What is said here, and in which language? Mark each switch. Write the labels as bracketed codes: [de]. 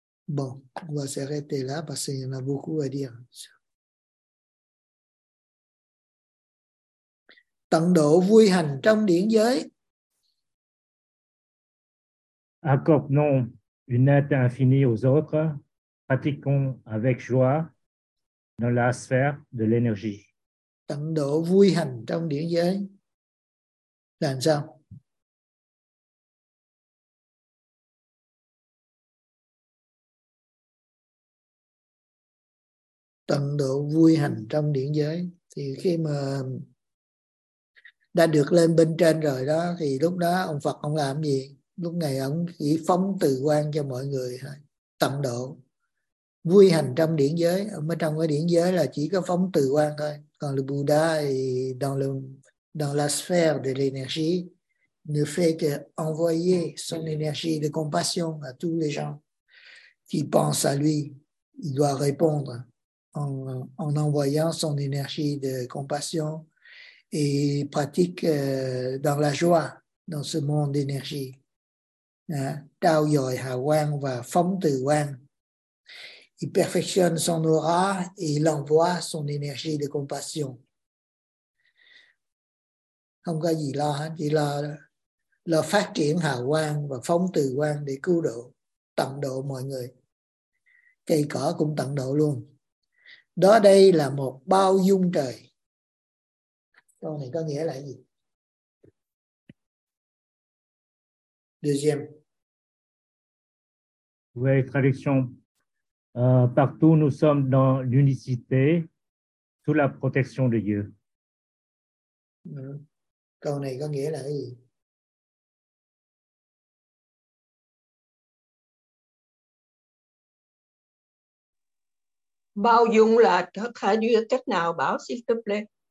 [fr] Bon, on va s'arrêter là parce qu'il y en a beaucoup à dire. [vi] tận độ vui hành trong điển giới. À cộp non une aide infinie aux autres, pratiquons avec joie dans la sphère de l'énergie. Tận độ vui hành trong điển giới. Làm sao? Tận độ vui hành trong điển giới. Thì khi mà đã được lên bên trên rồi đó, thì lúc đó ông Phật ông làm gì? Lúc này ông chỉ phóng từ quan cho mọi người thôi. Tận độ vui hành trong điển giới. Ông ở trong cái điển giới là chỉ có phóng từ quan thôi. [fr] Còn le Buddha thì dans la sphère de l'énergie ne fait que envoyer son énergie de compassion à tous les gens qui pensent à lui. Il doit répondre en envoyant son énergie de compassion et pratique dans la joie dans ce monde d'énergie. [vi] Trao dồi hào quang và phóng từ quang. [fr] Il perfectionne son aura et il envoie son énergie de compassion. [vi] Không có gì lo hết, chỉ lo phát triển hào quang và phóng từ quang để cứu độ, tận độ mọi người. Cây cỏ cũng tận độ luôn. Đó đây là một bao dung trời. Câu này có nghĩa là gì? [fr] Deuxième. Oui, traduction. Partout nous sommes dans l'unicité sous la protection de Dieu. [vi] Câu này có nghĩa là cái gì? Bao dung là tất cả như cách nào bảo xin tập lên.